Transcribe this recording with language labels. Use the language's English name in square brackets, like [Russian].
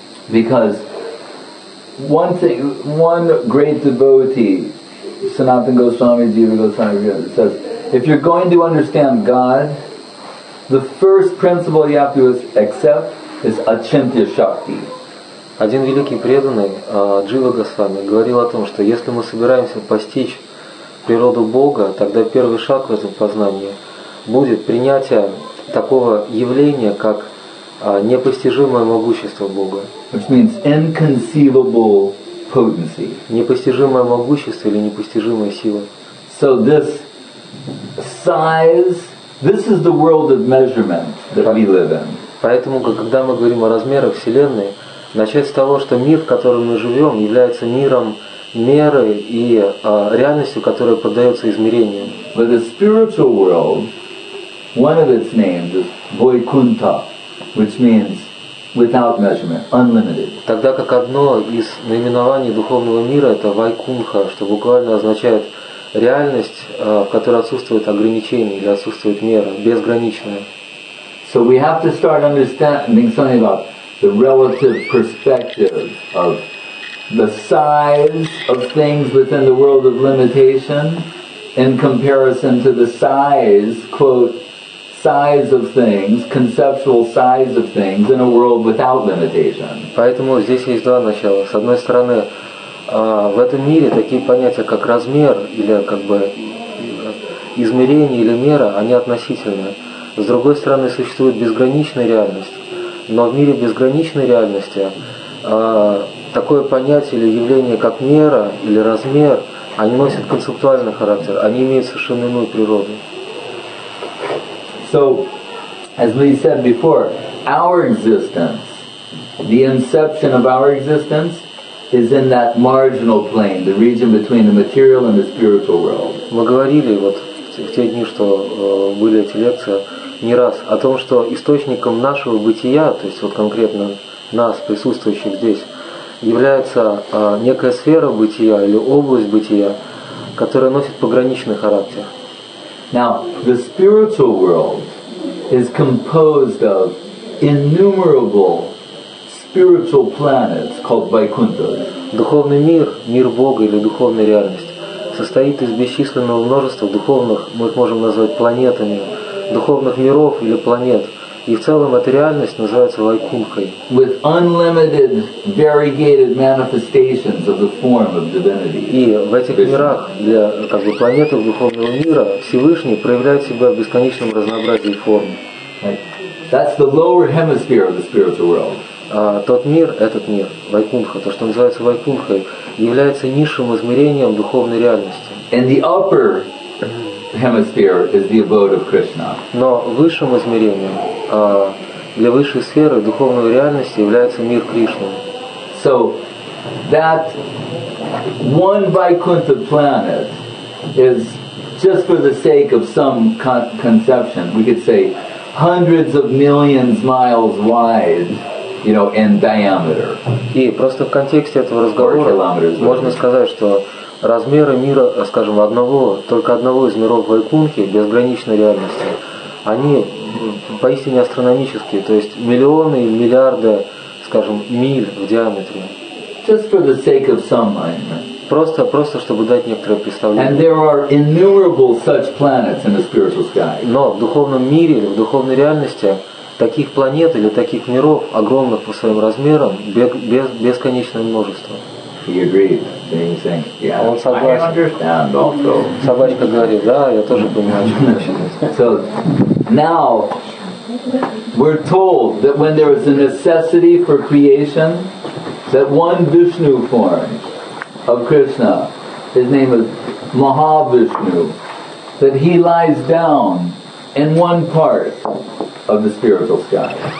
[English] Because one great devotee, Sanatana Goswami, Jiva Goswami, says, if you're going to understand God, the first principle you have to accept is Achintya Shakti. [Russian] Один великий преданный, Джива Госвами, говорил о том, что если мы собираемся постичь природу Бога, тогда первый шаг в этом познании будет принятие такого явления, как непостижимое могущество Бога. [English] Which means inconceivable potency. [Russian] Непостижимое могущество или непостижимая сила. [English] So this size... This is the world of measurement that we live in. [Russian] Поэтому, когда мы говорим о размерах Вселенной, начать с того, что мир, в котором мы живем, является миром меры и реальностью, которая поддается измерению. [English] But the spiritual world, one of its names is Vaikuntha, which means without measurement, unlimited. [Russian] Тогда как одно из наименований духовного мира это Вайкунха, что буквально означает реальность, в которой отсутствует ограничение или отсутствует мера, безграничная. [English] So we have to start understanding something about the relative perspective of the size of things within the world of limitation in comparison to the size, quote, size of things, conceptual size of things in a world without limitation. [Russian] Поэтому здесь есть два начала. С одной стороны, в этом мире такие понятия, как размер или как бы измерение или мера, они относительны. С другой стороны, существует безграничная реальность. Но в мире безграничной реальности такое понятие или явление, как мера или размер, они носят концептуальный характер, они имеют совершенно иную природу. [English] So, as we said before, our existence, the inception of our existence, is in that marginal plane, the region between the material and the spiritual world. [Russian] Мы говорили вот в те дни, что были эти лекции, не раз, о том, что источником нашего бытия, то есть вот конкретно нас, присутствующих здесь, является некая сфера бытия или область бытия, которая носит пограничный характер. [English] Now, the spiritual world is composed of innumerable spiritual planets called Vaikunthas. [Russian] Духовный мир, мир Бога или духовная реальность, состоит из бесчисленного множества духовных, мы их можем назвать планетами, духовных миров или планет. И в целом эта реальность называется Вайкунхой. [English] With unlimited variegated manifestations of the form of divinity. [Russian] И в этих мирах для как бы планеты духовного мира Всевышний проявляет себя в бесконечном разнообразии форм. [English] That's the lower hemisphere of the spiritual world. [Russian] Тот мир, этот мир, Вайкунха, то, что называется Вайкунхой, является низшим измерением духовной реальности. [English] And the upper hemisphere is the abode of Krishna. [Russian] Но высшим измерением, для высшей сферы духовной реальности является мир Кришны. [English] So that one Vaikuntha planet is just for the sake of some conception, we could say hundreds of millions miles wide. You know, in diameter. [Russian] И просто в контексте этого разговора можно сказать, что размеры мира, скажем, одного, только одного из миров Вайкунхи, безграничной реальности, они поистине астрономические, то есть миллионы и миллиарды, скажем, миль в диаметре. [English] Just for the sake of some mind. [Russian] Просто чтобы дать некоторое представление. [English] And there are innumerable such planets in the spiritual sky. [Russian] Но в духовном мире, в духовной реальности таких планет или таких миров, огромных по своим размерам, бесконечное множество. [English] He agreed, saying, yeah, [Russian] он согласен. [English] I understand also. [Russian] Собачка говорит, да, я тоже понимаю, что значит. [English] So now we're told that when there was a necessity for creation, that one Vishnu form of Krishna, his name is Mahavishnu, that he lies down in one part of the spiritual sky.